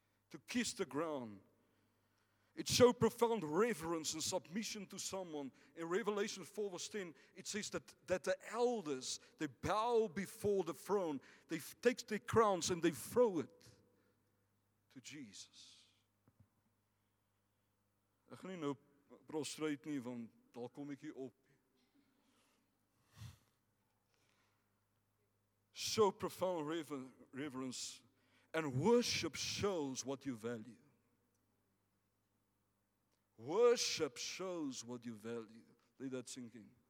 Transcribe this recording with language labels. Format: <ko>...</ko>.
<en>to kiss the ground. It showed profound reverence and submission to someone. In Revelation 4 verse 10, it says that the elders, they bow before the throne. They take their crowns and they throw it to Jesus.</en> <af>Ek gaan nie nou prostrate nie, want daar kom ek hier op.</af> <en>So profound reverence and worship shows what you value. Worship shows what you value. Let that sink in.</en>